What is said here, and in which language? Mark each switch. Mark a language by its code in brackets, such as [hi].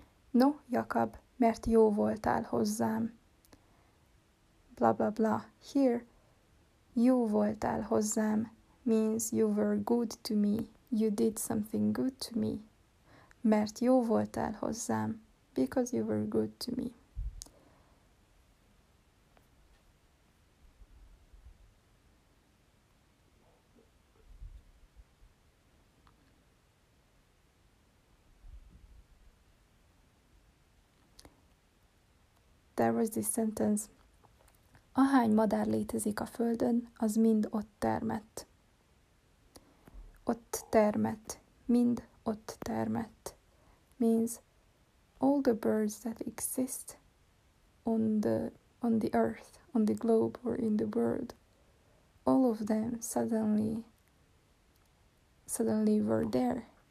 [hu] No, Jakab, mert jó voltál hozzám. [en] Blah, blah, blah. Here, [hu] jó voltál hozzám [en] means you were good to me. You did something good to me. [hu] Mert jó voltál hozzám. [en] Because you were good to me. There was this sentence. [hu] Ahány madár létezik a földön, az mind ott termett. Ott termett. Mind ott termett. [en] Means all the birds that exist on the earth, on the globe or in the world, all of them suddenly were there.